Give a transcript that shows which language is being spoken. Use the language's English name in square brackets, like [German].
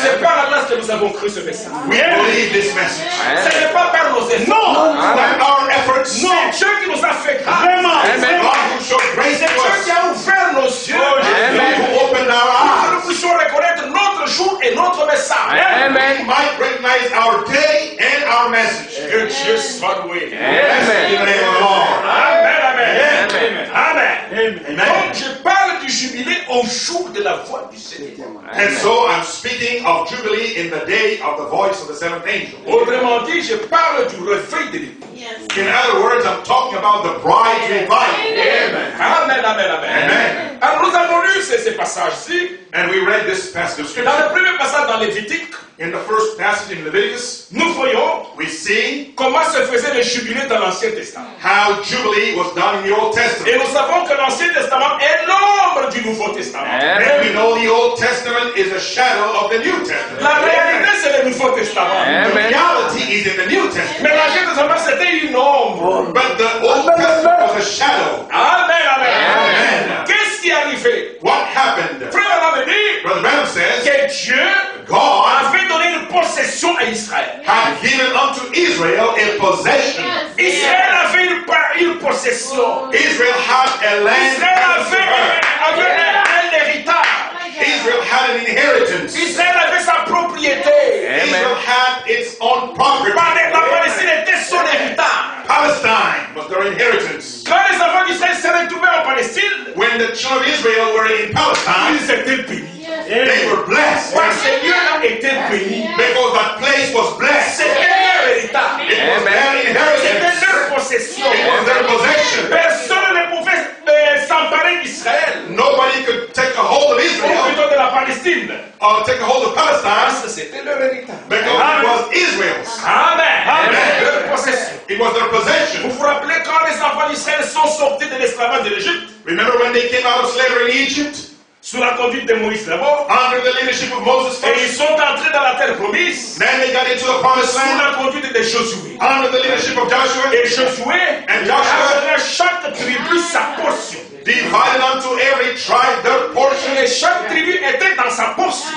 [French] C'est par la grâce que nous avons cru ce message. [English] We believe this message. [French] Ce n'est pas par nos efforts. Non. [English] Not our efforts. [French] Non. C'est Dieu qui nous a fait grâce. Vraiment. [English] Amen. God who showed grace to us. [French] C'est Dieu qui a ouvert nos yeux. [English] Amen. Who opened our eyes. [French] Que nous puissions reconnaître notre jour et notre message. [English] Amen. We might recognize our day and our message. [French] Que Dieu soit loué. [English] Amen. In the name of the Lord. Amen. Amen. Amen. Amen. Amen. Amen. Amen. [French] Donc je parle du jubilé au jour de la voix du Seigneur. [English] And so I'm speaking of jubilee in the day of the voice of the seventh angel. [French] Autrement dit, je parle du réveil de l'époux. [English] Yes. In other words, I'm talking about the bride revival. Amen. Amen. Amen. Amen. Amen. [French] Alors nous avons lu ces passages-ci. [English] And we read this passage of scripture. [French] Dans le premier passage dans Lévitique. [English] In the first passage in Leviticus, [French] nous voyons [English] we see [French] comment se faisait le jubilé dans l'Ancien Testament. [English] How jubilee was done in the Old Testament. [French] Et nous savons que l'Ancien Testament est l'ombre du Nouveau Testament. [English] And we know the Old Testament is a shadow of the New Testament. [French] La réalité c'est le Nouveau Testament. [English] The reality is in the New Testament. [French] Mais l'Ancien Testament c'était une ombre. [English] But the Old Testament was a shadow. Amen, amen. Amen. [French] Qu'est-ce qui arrivait? [English] What happened? [French] Frère Adam a dit, [English] Brother Adam says, [French] que Dieu [English] God [French] avait donné une possession à Israël. [English] Have given unto Israel a possession. Yes. [French] Israël avait une possession. [English] Israel had a land. [French] Israël avait un héritage. [English] Israel had an inheritance. [French] Israël avait sa propriété. [English] Amen. Israel had its own property. [French] La Palestine était son héritage. [English] Palestine was their inheritance. [French] Quand les enfants d'Israël se retrouvaient en Palestine, [English] when the children of Israel were in Palestine, [French] ils étaient bénis. [English] They were blessed. [French] Parce que Dieu a été béni. [English] Because that place was blessed. [French] C'était leur héritage. [English] It was their inheritance. [French] C'était leur possession. [English] It was their possession. [French] Personne ne pouvait s'emparer d'Israël. [English] Nobody could take a hold of Israel. [French] Ou plutôt de la Palestine. [English] Or take a hold of Palestine. [French] Parce que c'était leur héritage. [English] Because it was Israel's. Amen. Amen. [French] Leur possession. [English] It was their possession. [French] Vous vous rappelez quand les enfants d'Israël sont sortis de l'esclavage de l'Égypte? [English] Remember when they came out of slavery in Egypt? [French] Sous la conduite de Moïse d'abord. [English] Under the leadership of Moses first. [French] Et ils sont entrés dans la terre promise. [English] Then they got into the promised land. [French] Sous la conduite de Josué. [English] Under the leadership of Joshua. [French] Et Josué. [English] And Joshua. [French] A donné à chaque tribu sa portion. [English] Divided unto every tribe their portion. [French] Et chaque tribu était dans sa portion.